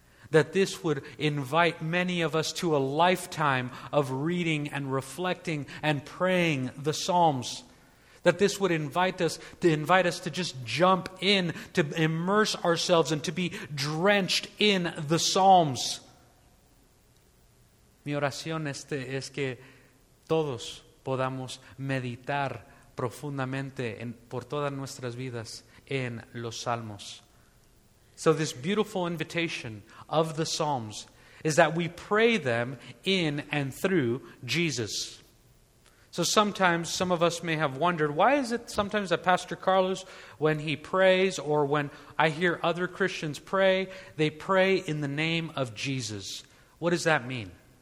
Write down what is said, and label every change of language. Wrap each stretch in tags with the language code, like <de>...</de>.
<en>That this would invite many of us to a lifetime of reading and reflecting and praying the Psalms. That this would invite us to just jump in, to immerse ourselves and to be drenched in the Psalms.</en> <es>Mi oración es que todos podamos meditar profundamente por todas nuestras vidas en los Salmos.</es> <en>So this beautiful invitation of the Psalms is that we pray them in and through Jesus. So sometimes some of us may have wondered, why is it sometimes that Pastor Carlos, when he prays or when I hear other Christians pray, they pray in the name of Jesus? What does that mean?</en>